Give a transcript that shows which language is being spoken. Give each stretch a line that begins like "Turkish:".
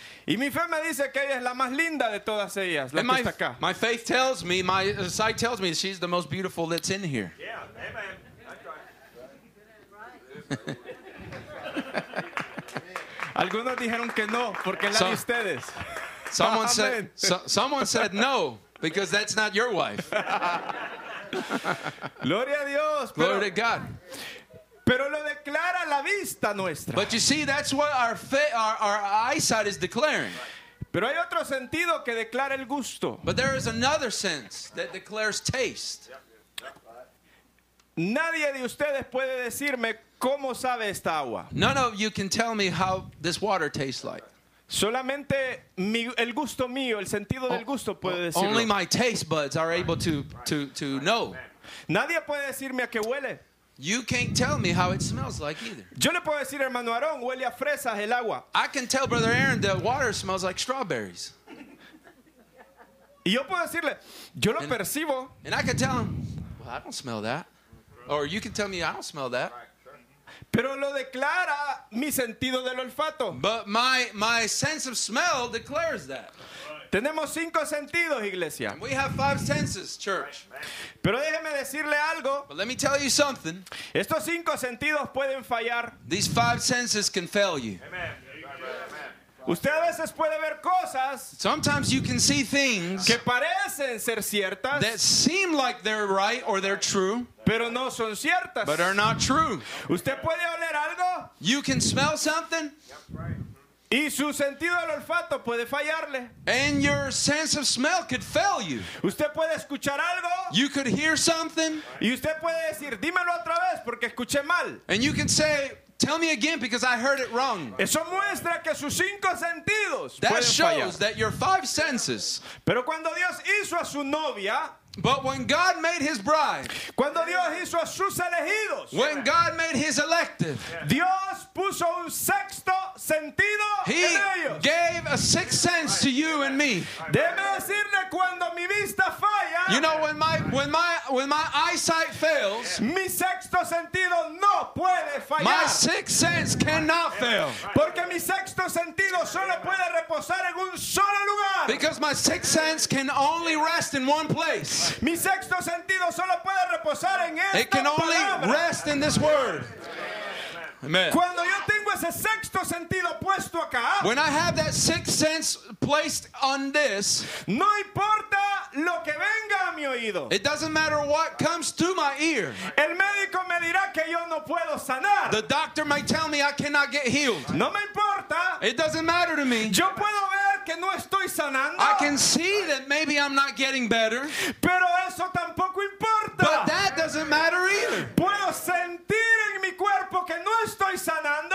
Spanish: Y mi fe me dice que ella es la más linda de todas ellas, la
English: and
Spanish: que está acá.
English: My faith tells me, my sight tells me, she's the most beautiful that's in here. Yeah, amen. That's right.
Spanish: Algunos dijeron que no, porque la de ustedes.
English: Someone said no, because that's not your wife.
Spanish: Gloria a Dios.
English: Glory to God.
Spanish: Pero lo declara la vista nuestra.
English: But you see, that's what our eyesight is declaring.
Spanish: Pero hay otro sentido que declara el gusto.
English: But there is another sense that declares taste.
Spanish: Nadie de ustedes puede decirme cómo sabe esta agua.
English: None of you can tell me how this water tastes like.
Spanish: Solamente el gusto mío, el sentido del gusto puede decirlo.
English: Only my taste buds are able to know.
Spanish: Nadie puede decirme a qué huele.
English: You can't tell me how it smells like either.
Spanish: Yo le puedo decir, hermano Aarón, huele a fresas el agua.
English: I can tell brother Aaron that water smells like strawberries.
Spanish: Y yo puedo decirle, yo lo percibo.
English: And I can tell him, well, I don't smell that. Or you can tell me I don't smell that.
Spanish: Pero lo declara mi sentido del olfato.
English: But my sense of smell declares that.
Spanish: Tenemos cinco sentidos, iglesia.
English: We have five senses, church.
Spanish: Pero déjeme decirle algo.
English: But let me tell you something.
Spanish: Estos cinco sentidos pueden fallar.
English: These five senses can fail you.
Spanish: Usted a veces puede ver cosas.
English: Sometimes you can see things
Spanish: que parecen ser ciertas.
English: That seem like they're right or they're true.
Spanish: Pero no son ciertas.
English: But are not true.
Spanish: Usted puede oler algo.
English: You can smell something.
Spanish: Y su sentido del olfato puede fallarle.
English: And your sense of smell could fail you.
Spanish: Usted puede escuchar algo.
English: You could hear something.
Spanish: Y usted puede decir, dímelo otra vez porque escuché mal.
English: And you can say, tell me again because I heard it wrong.
Spanish: Eso muestra que sus cinco sentidos
English: That shows that your five senses.
Spanish: Pero cuando Dios hizo a su novia.
English: But when God made his bride,
Spanish: cuando Dios hizo a sus elegidos,
English: when God made his elective,
Spanish: Dios puso un sexto sentido
English: he
Spanish: en ellos.
English: Gave a sixth sense to you and me.
Spanish: Debe decirle cuando mi vista falla,
English: you know, when my eyesight fails,
Spanish: mi sexto sentido no puede fallar.
English: My sixth sense cannot fail.
Spanish: Porque mi sexto sentido solo puede reposar en un solo lugar.
English: Because my sixth sense can only rest in one place.
Spanish: Mi sexto sentido solo puede reposar en esta palabra.
English: It can only rest in this word. Amen.
Spanish: Cuando yo tengo ese sexto sentido puesto acá,
English: when I have that sixth sense placed on this,
Spanish: no importa lo que venga a mi oído.
English: It doesn't matter what comes to my ear.
Spanish: El médico me dirá que yo no puedo sanar.
English: The doctor may tell me I cannot get healed.
Spanish: No me importa.
English: It doesn't matter to me.
Spanish: Yo puedo ver que no estoy sanando.
English: I can see that maybe I'm not getting better.
Spanish: Pero eso tampoco importa.
English: But that doesn't matter either.
Spanish: Puedo sentir en mi cuerpo que no estoy sanando.